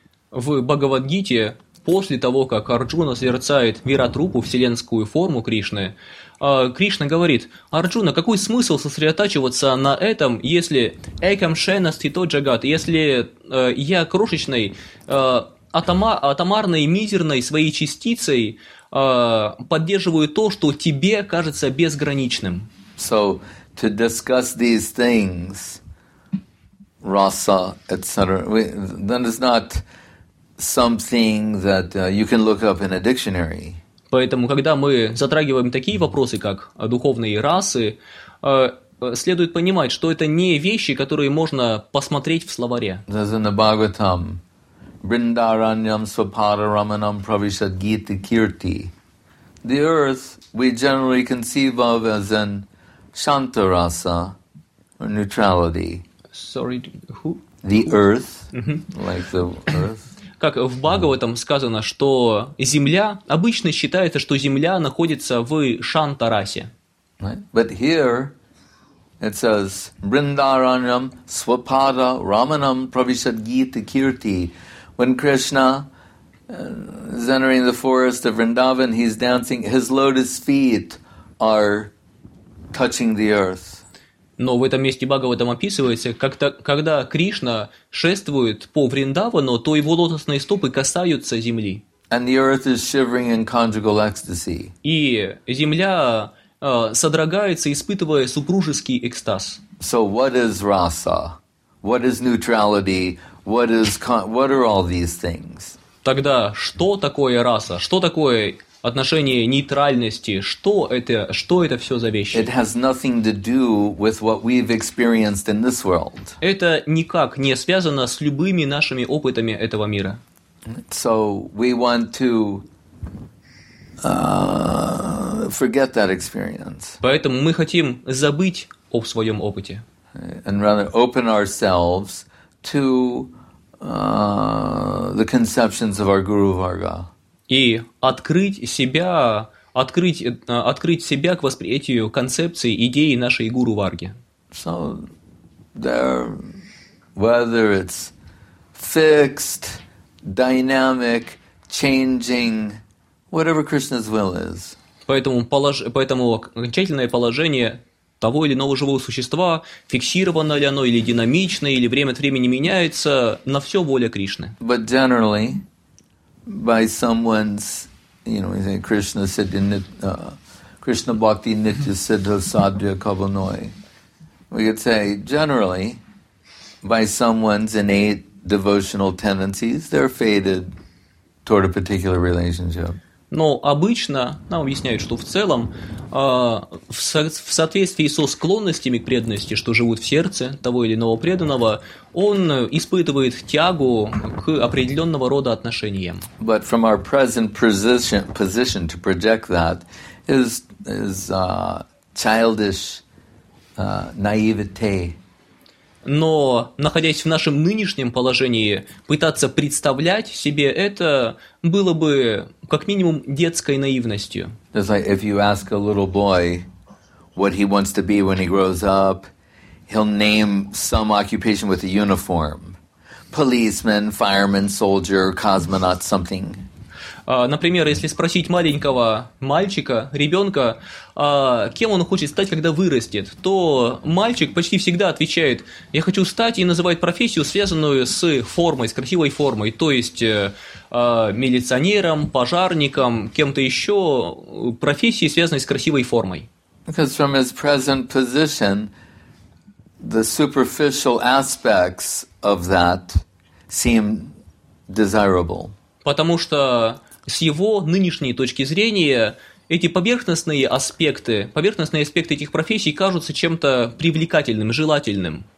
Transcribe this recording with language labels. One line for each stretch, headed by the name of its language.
Russian: В Бхагавад-гите, после того, как Арджуна созерцает Виратрупу, вселенскую форму Кришны, Кришна говорит, Арджуна, какой смысл сосредотачиваться на этом, если
Sanskrit: Экам Шена Стито Джагат,
Russian: если я крошечной, атомарной, мизерной своей частицей поддерживаю то, что тебе кажется безграничным?
English: So, to discuss these things, rasa, etc., then it's not something that you can look up in a dictionary.
Russian: Поэтому, когда мы затрагиваем такие вопросы, как духовные расы, следует понимать, что это не вещи, которые можно посмотреть в словаре.
English: There's in the Bhagavatam,
Sanskrit: Vrindaranyam Svapara Ramanam Pravishad Gita Kirti.
English: The earth we generally conceive of as an Shantarasa, or neutrality. Sorry, who? The earth, mm-hmm. Like the earth.
Russian: Как в Бхагаватам сказано, что земля, обычно считается, что земля находится в Шантарасе.
English: Right? But here it says
Sanskrit: Vrindaranyam Svapara Ramanam Pravishad Gita Kirti.
English: When Krishna is entering the forest of Vrindavan. He's dancing. His lotus feet are touching the earth.
Russian: Но в этом месте Бхагаватам описывается, когда Кришна шествует по Вриндавану, то его лотосные стопы касаются земли.
English: And the earth is shivering in conjugal ecstasy.
Russian: И земля содрогается, испытывая супружеский экстаз.
English: So what is rasa? What is neutrality? What are all these things?
Russian: Тогда что такое раса? Что такое отношение нейтральности? Что это все за вещи?
English: It has nothing to do with what we've experienced in this world.
Russian: Это никак не связано с любыми нашими опытами этого мира.
English: So we want to forget that experience.
Russian: Поэтому мы хотим забыть о своем опыте.
English: And rather open ourselves to the conceptions of our Guru Varga.
Russian: И открыть себя к восприятию концепции идеи нашей Гуру Варги.
English: So there, whether it's fixed, dynamic, changing, whatever Krishna's will is.
Russian: Поэтому окончательное положение того или иного живого существа, фиксировано ли оно или динамично, или время от времени меняется, на все воля Кришны.
English: But generally, by someone's, you know, Krishna said in
Sanskrit: Krishna bhakti nitya siddha sadhya kavanoi,
English: we could say generally by someone's innate devotional tendencies, they're fated toward a particular relationship.
Russian: Но обычно нам объясняют, что в целом в соответствии со склонностями к преданности, что живут в сердце того или иного преданного, он испытывает тягу к определенного рода отношениям.
English: But from our present position to project that is childish naivete.
Russian: Но находясь в нашем нынешнем положении, пытаться представлять себе это было бы как минимум детской наивностью.
English: It's like if you ask a little boy what he wants to be when he grows up, he'll name some occupation with a uniform: policeman, fireman, soldier, cosmonaut, something.
Russian: Например, если спросить маленького мальчика, ребенка, кем он хочет стать, когда вырастет, то мальчик почти всегда отвечает: «Я хочу стать», и называет профессию, связанную с формой, с красивой формой, то есть милиционером, пожарником, кем-то еще, профессии, связанной с красивой формой.
English: Because from his present position, the superficial aspects of that seem desirable.
Russian: Потому что с его нынешней точки зрения эти поверхностные аспекты этих профессий кажутся чем-то привлекательным, желательным.